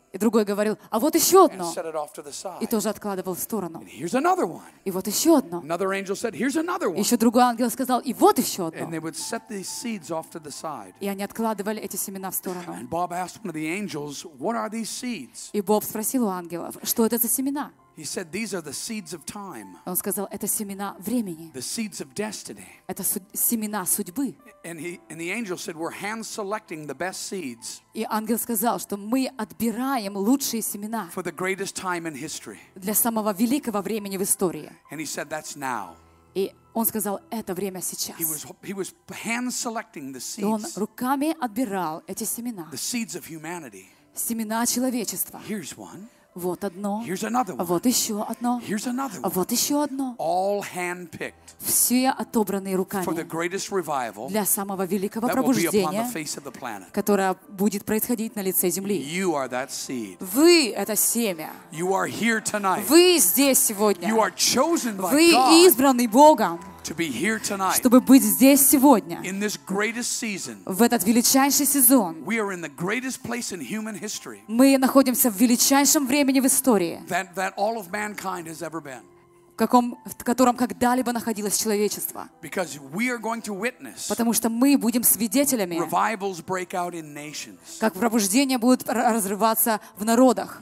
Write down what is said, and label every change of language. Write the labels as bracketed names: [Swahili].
[Russian] И другой говорил, а вот еще одно. [English] And set it off to the side. [Russian] И тоже откладывал в сторону. [English] And here's another one. [Russian] И вот еще одно. [English] Another angel said, "Here's another one." [Russian] Еще другой ангел сказал, и вот еще одно. [English] And they would set these seeds off to the side. [Russian] И они откладывали эти семена в сторону. [English] And Bob asked one of the angels, "What are these seeds?" [Russian] И Боб спросил у ангелов, что это за семена? [English] He said, "These are the seeds of time." [Russian] Он сказал, это семена времени. [English] The seeds of destiny. [Russian] Это семена судьбы. [English] And the angel said, "We're hand selecting the best seeds." [Russian] И ангел сказал, что мы отбираем лучшие семена. [English] For the greatest time in history. [Russian] Для самого великого времени в истории. [English] And he said, "That's now." [Russian] И он сказал, это время сейчас. [English] He was hand selecting the seeds. [Russian] Он руками отбирал эти семена. [English] The seeds of humanity. [Russian] Семена человечества. [English] Here's one. [Russian] Вот одно. [English] Here's another one. [Russian] Вот еще одно. [English] Here's another one. [Russian] Вот еще одно. [English] All handpicked. [Russian] Все отобранные руками. [English] For the greatest revival. [Russian] Для самого великого пробуждения. [English] That will be upon the face of the planet. [Russian] Которое будет происходить на лице земли. [English] You are that seed. [Russian] Вы это семя. [English] You are here tonight. [Russian] Вы здесь сегодня. [English] You are chosen by God. [Russian] Вы избранный Богом. [English] To be here tonight. [Russian] Чтобы быть здесь сегодня. [English] In this greatest season. [Russian] В этот величайший сезон. [English] We are in the greatest place in human history. [Russian] Мы находимся в величайшем времени в истории. [English] That all of mankind has ever been. [Russian] В котором когда-либо находилось человечество. [English] Because we are going to witness. [Russian] Потому что мы будем свидетелями. [English] Revivals break out in nations. [Russian] Как пробуждения будут разрываться в народах.